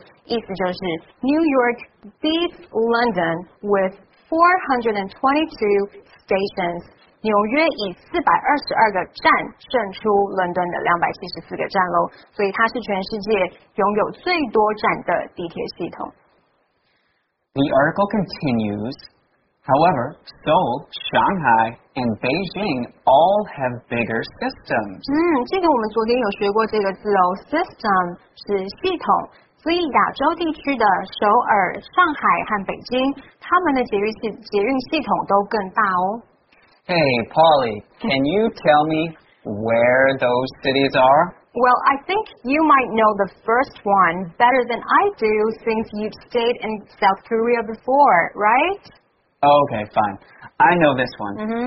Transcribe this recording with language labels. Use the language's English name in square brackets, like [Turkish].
[Chinese] 意思就是 [English] New York beats London with 422 stations. [Chinese] 纽约以422个站胜出伦敦的274个站咯，所以它是全世界拥有最多站的地铁系统。 [English] The article continues, however, Seoul, Shanghai,And Beijing all have bigger systems. [Chinese] 记得我们昨天有学过这个字哦 ，system 是系统，所以亚洲地区的首尔、上海和北京，他们的捷运系统都更大哦。 [English] Hey, Polly, can you tell me where those cities are? Well, I think you might know the first one better than I do, since you've stayed in South Korea before, right? Okay, fine. I know this one.、